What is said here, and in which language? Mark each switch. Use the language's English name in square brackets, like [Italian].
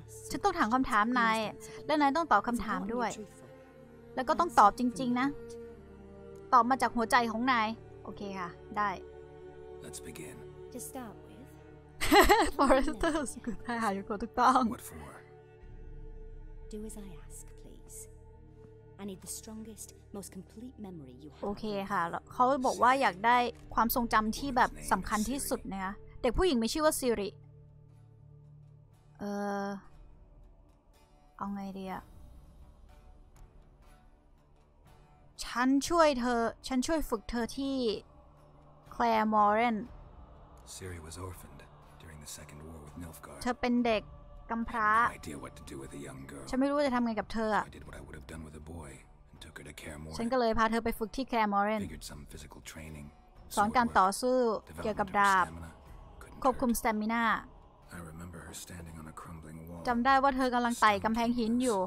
[Thai] ฉันต้องถามคำถามนายและนายต้องตอบคำถามด้วยแล้วก็ต้องตอบจริงๆนะตอบมาจากหัวใจของนาย โอเคค่ะได้ [English] Let's begin to start with [Thai] Foresters คุณให้หายุคถูกต้อง [English] What for Do as I ask please I need the strongest most complete memory you have [Thai] โอเคค่ะเขาบอกว่าอยากได้ความทรงจำที่แบบสำคัญที่สุดนะคะเด็กผู้หญิงไม่ชื่อว่าซิริเอาไงดีอะฉันช่วยเธอฉันช่วยฝึกเธอที่ Claremorant [English] Siri was orphaned during the Second War with Nilfgaard [Thai] เธอเป็นเด็กกำพร้า [English] I didn't know what to do with a young girl [Thai] ฉันไม่รู้จะทำไงกับเธออะ [English] I did what I would have done with a boy and took her to Claremorant [Thai] ฉันก็เลยพาเธอไปฝึกที่ Claremorant [English] figured some physical training [Thai] สอนการต่อสู้เกี่ยวกับดาบควบคุมสเตมินา [English] I remember her standing on a crumbling wall. [Thai] จำได้ว่าเธอกำลังไต่กำแพงหินอยู่